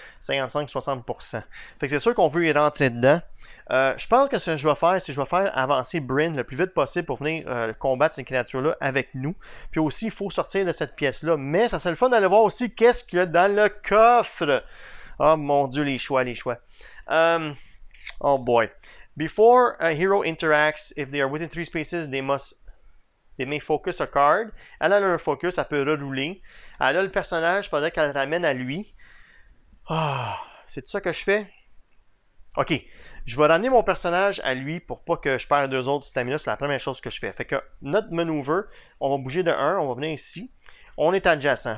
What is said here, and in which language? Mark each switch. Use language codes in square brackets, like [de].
[fr] 55-60%. Fait que c'est sûr qu'on veut y rentrer dedans. Je pense que ce que je vais faire, c'est que je vais faire avancer Bryn le plus vite possible pour venir combattre ces créatures-là avec nous. Puis aussi, il faut sortir de cette pièce-là. Mais ça serait le fun d'aller voir aussi qu'est-ce qu'il y a dans le coffre. Oh mon dieu, les choix. Oh boy. [en] Before a hero interacts, if they are within three spaces, they may focus a card. [fr] Elle a leur focus, elle peut rerouler. Elle a le personnage, il faudrait qu'elle ramène à lui. Oh, c'est ça que je fais? Ok, je vais ramener mon personnage à lui pour pas que je perde deux autres stamina. C'est la première chose que je fais. Fait que notre maneuver, on va bouger de 1, on va venir ici. On est adjacent.